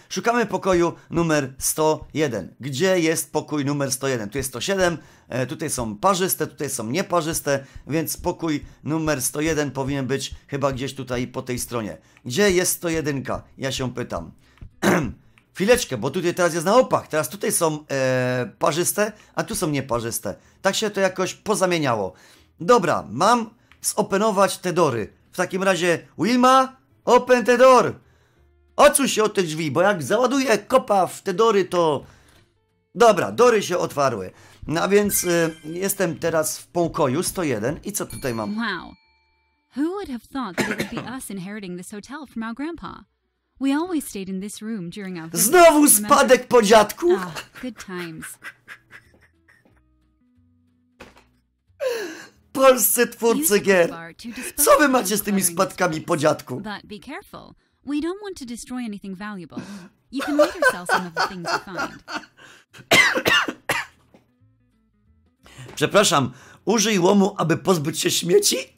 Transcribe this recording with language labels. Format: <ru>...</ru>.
<pl>Szukamy pokoju numer 101. Gdzie jest pokój numer 101? Tu jest 107, tutaj są parzyste, tutaj są nieparzyste, więc pokój numer 101 powinien być chyba gdzieś tutaj po tej stronie. Gdzie jest 101? Ja się pytam. Chwileczkę, bo tutaj teraz jest na opak. Teraz tutaj są parzyste, a tu są nieparzyste. Tak się to jakoś pozamieniało. Dobra, mam zopenować te dory. W takim razie, Wilma,</pl> <en>open the door.</en> <pl>Odsuń się od tych drzwi, bo jak załaduję kopa w te dory, to... Dobra, dory się otwarły. No a więc jestem teraz w pokoju 101 i co tutaj mam?</pl> <en>Wow. Who would have thought that it would be us inheriting this hotel from our grandpa? We always stayed in this room during our...</en> <pl>Znowu spadek po dziadku!</pl> <en>Ah, good times.</en> <pl>Polscy twórcy gier! Co wy macie z tymi spadkami po dziadku?</pl> <en>But be careful. We don't want to destroy anything valuable. You can leave yourself some of the things you find.</en> <pl>Przepraszam, użyj łomu, aby pozbyć się śmieci?</pl>